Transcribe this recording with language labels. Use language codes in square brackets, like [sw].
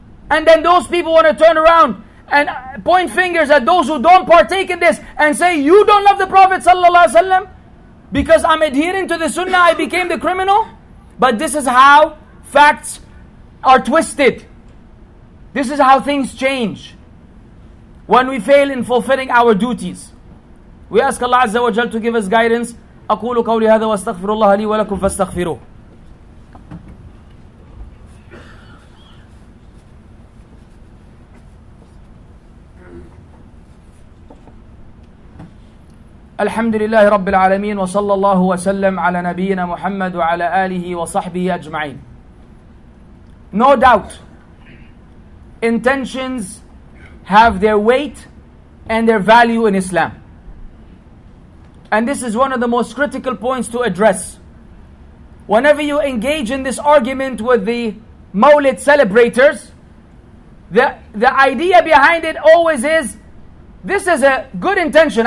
[en] And then those people want to turn around and point fingers at those who don't partake in this and say, you don't love the Prophet sallallahu alaihi wasallam because I'm adhering to the sunnah, I became the criminal. But this is how facts are twisted. This is how things change when we fail in fulfilling our duties. We ask Allah Azza wa Jal to give us guidance. [ar] أقول قولي هذا واستغفر الله لي ولكم فاستغفروه. الحمد لله رب العالمين وصلى الله وسلم على نبينا محمد وعلى آله وصحبه أجمعين. [en] No doubt, intentions have their weight and their value in Islam. And this is one of the most critical points to address. Whenever you engage in this argument with the Mawlid celebrators, the idea behind it always is, this is a good intention.